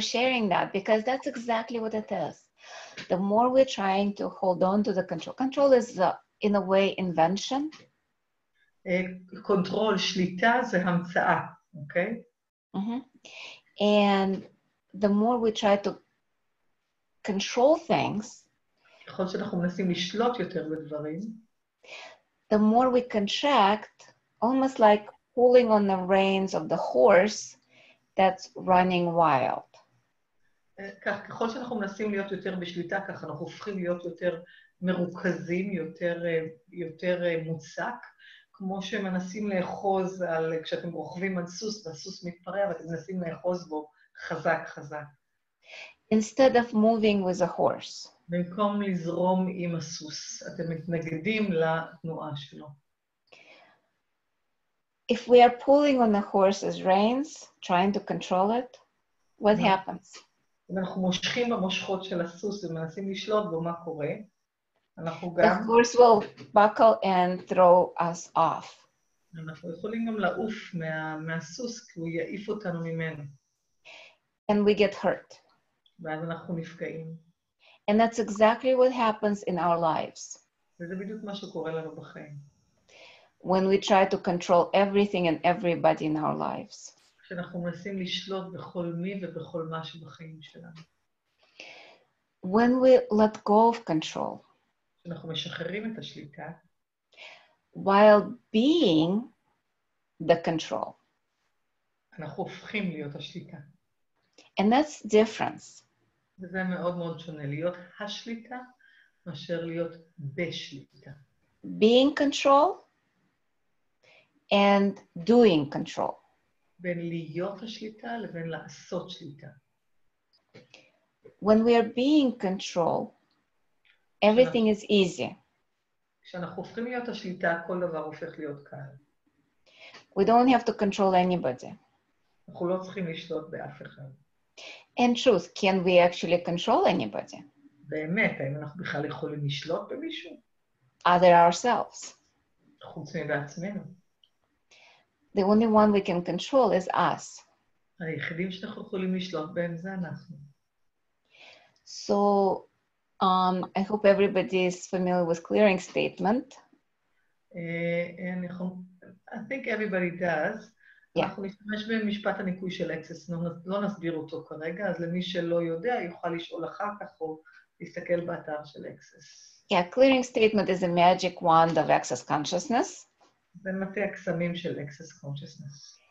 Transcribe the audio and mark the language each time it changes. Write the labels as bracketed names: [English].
[English] sharing that, because that's exactly what it is. The more we're trying to hold on to the control is in a way invention. [Hebrew] Control, שליטה זה המצאה, okay? [English] And the more we try to control things, [Hebrew] ככל שאנחנו מנסים לשלוט יותר בדברים, [English] the more we contract, almost like pulling on the reins of the horse that's running wild. [Hebrew] ככל שאנחנו מנסים להיות יותר בשליטה, ככה אנחנו הופכים להיות יותר מרוכזים, יותר מוצק, כמו שמנסים לאחוז על, כשאתם רוכבים על סוס, והסוס מתפרע, ואתם מנסים לאחוז בו חזק, חזק. [English] Instead of moving with a horse. [Hebrew] במקום לזרום עם הסוס, אתם מתנגדים לתנועה שלו. [English] If we are pulling on the horse's reins, trying to control it, what happens? [Hebrew] אנחנו מושכים במושכות של הסוס ומנסים לשלוט בו, מה קורה? אנחנו גם... [English] The horse will buckle and throw us off. [Hebrew] אנחנו יכולים גם לעוף מהסוס, כי הוא יעיף אותנו ממנו. [English] And we get hurt. [Hebrew] ואז אנחנו נפגעים. [English] And that's exactly what happens in our lives. [Hebrew] וזה בדיוק מה שקורה לנו בחיים. [English] When we try to control everything and everybody in our lives. [Hebrew] כשאנחנו מנסים לשלוט בכל מי ובכל מה שבחיים שלנו. [English] When we let go of control. [Hebrew] כשאנחנו משחררים את השליטה. [English] While being the control. [Hebrew] אנחנו הופכים להיות השליטה. [English] And that's the difference. [Hebrew] וזה מאוד מאוד שונה, להיות השליטה מאשר להיות בשליטה. [English] Being control. And doing control. [Hebrew] בין להיות השליטה לבין לעשות שליטה. [English] When we are being control, everything is easy. [Hebrew] כשאנחנו הופכים להיות השליטה, כל דבר הופך להיות קל. [English] We don't have to control anybody. [Hebrew] אנחנו לא צריכים לשלוט באף אחד. [English] And truth, can we actually control anybody? [Hebrew] באמת, האם אנחנו בכלל יכולים לשלוט במישהו? [English] Other ourselves. [Hebrew] חוץ מבעצמנו. [English] The only one we can control is us. [Hebrew] היחידים שאנחנו יכולים לשלוט בהם זה אנחנו. [English] So, I hope everybody is familiar with clearing statement. And I think everybody does. [Hebrew] אנחנו נשתמש במשפט הניקוי של אקסס, לא נסביר אותו כרגע, אז למי שלא יודע, יוכל לשאול אחר כך או להסתכל באתר של אקסס. [English] Yeah, clearing statement is a magic wand of access consciousness. [Hebrew] זה מטה הקסמים של access consciousness.